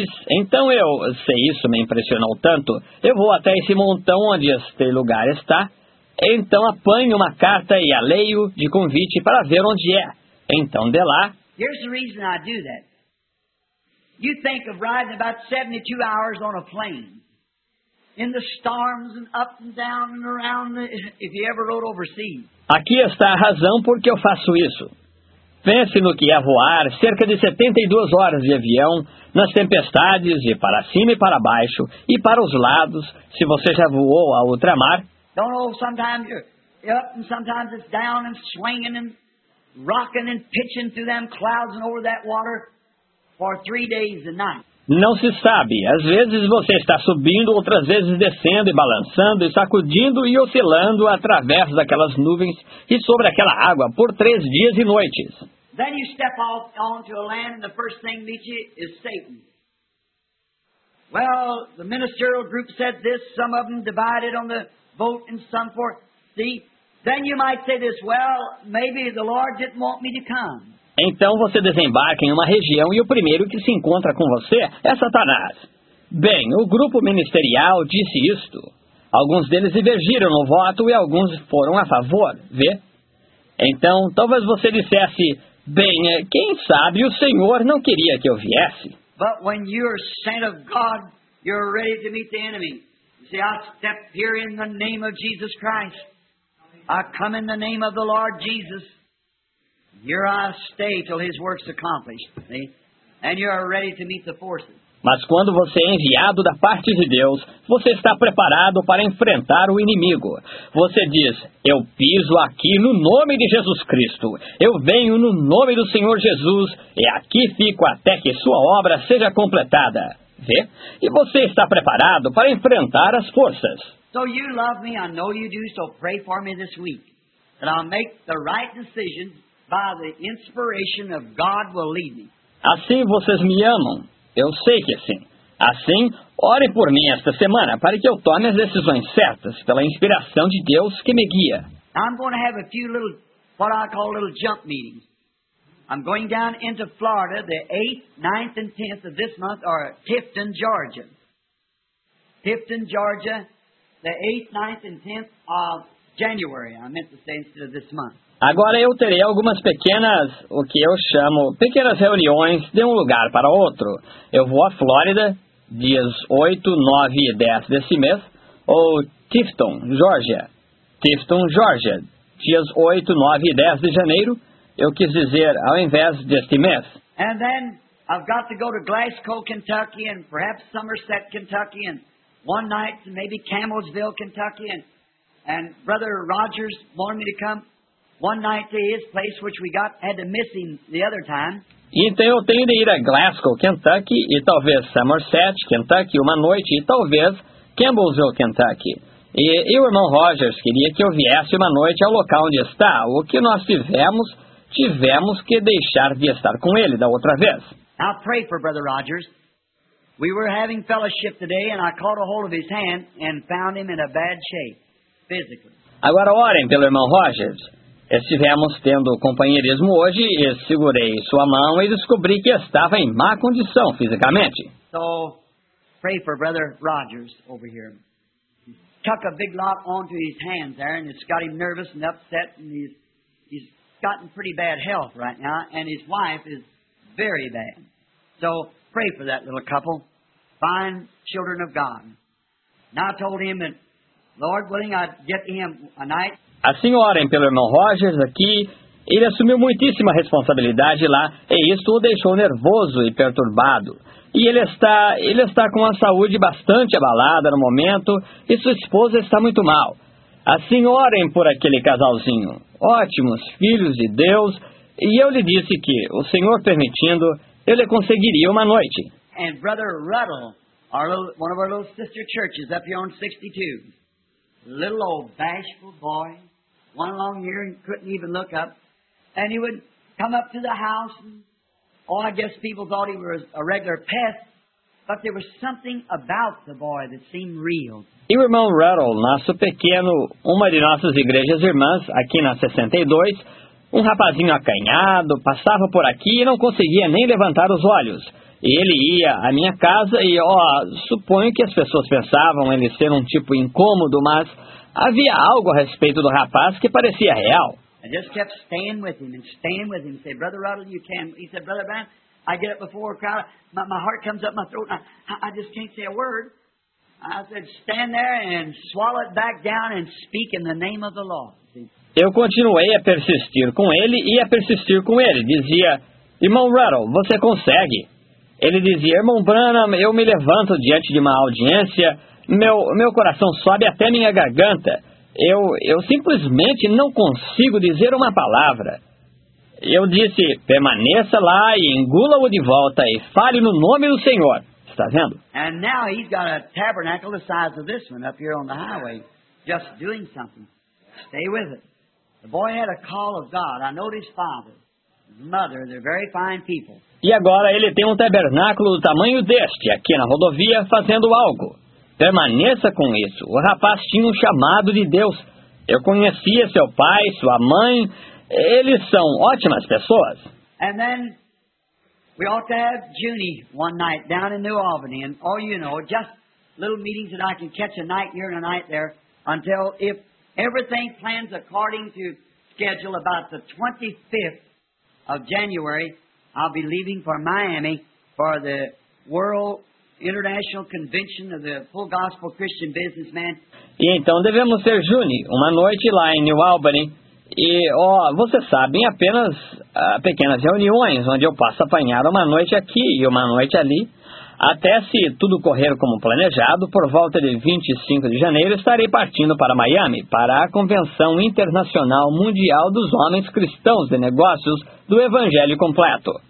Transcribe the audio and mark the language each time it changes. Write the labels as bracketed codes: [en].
[pt] Então eu, se isso me impressionou tanto, eu vou até esse montão onde este lugar está. Então apanho uma carta e a leio de convite para ver onde é. Então de lá. [en] Here's the reason I do that. You think of riding about 72 hours on a plane. In the storms and up and down and around, if you ever rode overseas. [pt] Aqui está a razão por que eu faço isso. Pense no que é voar cerca de 72 horas de avião, nas tempestades, e para cima e para baixo, e para os lados, se você já voou a ultramar. [en] Don't know, sometimes you're up and sometimes it's down and swinging and rocking and pitching through them clouds and over that water for 3 days and nights. [pt] Não se sabe. Às vezes você está subindo, outras vezes descendo e balançando e sacudindo e oscilando através daquelas nuvens e sobre aquela água por 3 dias e noites. [en] Then you step off onto a land and the first thing meets you is Satan. Well, the ministerial group said this, some of them divided on the vote and some for. See, then you might say this, well, maybe the Lord didn't want me to come. [pt] Então você desembarca em uma região e o primeiro que se encontra com você é Satanás. Bem, o grupo ministerial disse isto. Alguns deles divergiram no voto e alguns foram a favor, vê? Então, talvez você dissesse, bem, quem sabe o Senhor não queria que eu viesse. [en] But when you're sent of God, you're ready to meet the enemy. You say, I step here in the name of Jesus Christ. I come in the name of the Lord Jesus. Here I stay till his work's accomplished, see? And you are ready to meet the forces. [pt] Mas quando você é enviado da parte de Deus, você está preparado para enfrentar o inimigo. Você diz, eu piso aqui no nome de Jesus Cristo. Eu venho no nome do Senhor Jesus e aqui fico até que sua obra seja completada. Vê? E você está preparado para enfrentar as forças. [en] So you love me, I know you do, so pray for me this week. And I'll make the right decision. By the inspiration of God will lead me. [pt] Assim vocês me amam. Eu sei que sim. Assim, ore por mim esta semana para que eu tome as decisões certas pela inspiração de Deus que me guia. [en] I'm going to have a few little, what I call little jump meetings. I'm going down into Florida the 8th, 9th, and 10th of this month, or Tifton, Georgia. Tifton, Georgia, the 8th, 9th, and 10th of January. I meant to say instead of this month. [pt] Agora eu terei algumas pequenas, o que eu chamo, pequenas reuniões de um lugar para outro. Eu vou à Flórida, dias 8, 9 e 10 desse mês, ou Tifton, Georgia. Tifton, Georgia, dias 8, 9 e 10 de janeiro, eu quis dizer, ao invés deste mês. [en] And then I've got to go to Glasgow, Kentucky, and perhaps Somerset, Kentucky, and one night maybe Camelsville, Kentucky, and Brother Rogers wanted me to come. One night to his place, which we got had to miss him the other time. [pt] Então eu tenho de ir a Glasgow, Kentucky, e talvez Somerset, Kentucky, uma noite, e talvez Campbellsville, Kentucky. E o irmão Rogers queria que eu viesse uma noite ao local onde está. O que nós tivemos que deixar de estar com ele da outra vez. [en] I'll pray for Brother Rogers. We were having fellowship today, and I caught a hold of his hand and found him in a bad shape, physically. [pt] Agora orem pelo irmão Rogers. Estivemos tendo companheirismo hoje e segurei sua mão e descobri que estava em má condição fisicamente. [en] So, pray for Brother Rogers over here. He took a big lot onto his hands there and it's got him nervous and upset and he's gotten pretty bad health right now and his wife is very bad. So, pray for that little couple. Fine children of God. And I told him that, Lord willing, I'd get to him a night. [pt] Assim orem pelo irmão Rogers aqui, ele assumiu muitíssima responsabilidade lá, e isto o deixou nervoso e perturbado. E ele está com a saúde bastante abalada no momento, e sua esposa está muito mal. Assim orem por aquele casalzinho, ótimos filhos de Deus, e eu lhe disse que, o Senhor permitindo, eu lhe conseguiria uma noite. E o [en] brother Ruddle, [pt] uma das nossas [en] sister churches, up here on 62. Little old bashful boy, one long year and couldn't even look up. And he would come up to the house. And, oh, I guess people thought he was a regular pest. But there was something about the boy that seemed real. [pt] E o irmão Rattle, nosso pequeno, uma de nossas igrejas irmãs, aqui na 62, um rapazinho acanhado, passava por aqui e não conseguia nem levantar os olhos. Ele ia à minha casa e, ó, suponho que as pessoas pensavam ele ser um tipo incômodo, mas havia algo a respeito do rapaz que parecia real. [en] I just kept staying with him and staying with him. Say, Brother Rattle, you can. He said, Brother Brown, I get up before a crowd, my heart comes up my throat, and I just can't say a word. I said, stand there and swallow it back down and speak in the name of the Lord. [pt] Eu continuei a persistir com ele e a persistir com ele. Dizia, irmão Rattle, você consegue? Ele dizia, irmão Branham, eu me levanto diante de uma audiência, meu coração sobe até minha garganta. Eu simplesmente não consigo dizer uma palavra. Eu disse, permaneça lá e engula-o de volta e fale no nome do Senhor. Está vendo? [en] And now he's got a tabernacle the size of this one up here on the highway, just doing something. Stay with it. The boy had a call of God. I know his father, his mother, they're very fine people. [pt] E agora ele tem um tabernáculo do tamanho deste, aqui na rodovia, fazendo algo. Permaneça com isso. O rapaz tinha um chamado de Deus. Eu conhecia seu pai, sua mãe. Eles são ótimas pessoas. [en] And then we ought to have Junie one night down in New Albany. And, oh, you know, just little meetings that I can catch a night here and a night there until if everything plans according to schedule about the 25th of January, I'll be leaving for Miami for the World International Convention of the Full Gospel Christian Businessmen. [pt] E então devemos ter Junie uma noite lá em New Albany. E, ó, vocês sabem, apenas pequenas reuniões onde eu posso apanhar uma noite aqui e uma noite ali. Até se tudo correr como planejado, por volta de 25 de janeiro estarei partindo para Miami para a Convenção Internacional Mundial dos Homens Cristãos de Negócios do Evangelho Completo.